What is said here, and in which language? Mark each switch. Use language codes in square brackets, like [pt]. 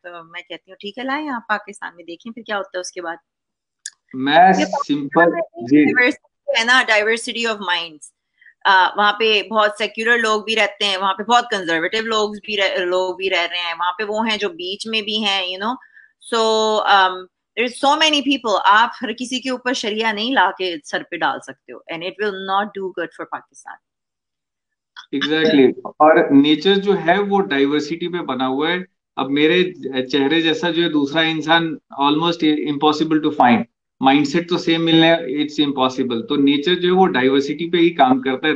[hi] तो मैं कहती हूँ ठीक है लाएं आप पाकिस्तान में, देखें फिर क्या होता है उसके बाद. मैं सिंपल डाइवर्सिटी है ना, डाइवर्सिटी ऑफ माइंड. वहाँ पे बहुत सेक्युलर लोग भी रहते हैं, वहाँ पे बहुत कंजर्वेटिव लोग भी रह रहे हैं, वहाँ पे वो हैं जो बीच में भी हैं, [en] You know. So there is so many people. [hi] आप हर किसी के ऊपर शरिया नहीं ला के सर पे डाल सकते हो, [en] and it will not do good for Pakistan. Exactly. [hi] और nature जो है वो diversity पे बना हुआ है. अब मेरे चेहरे जैसा जो है दूसरा इंसान [en] almost impossible to find. [hi] Mindset तो same मिलने [en] it's impossible. [hi] तो nature जो है वो diversity पे ही काम करता है.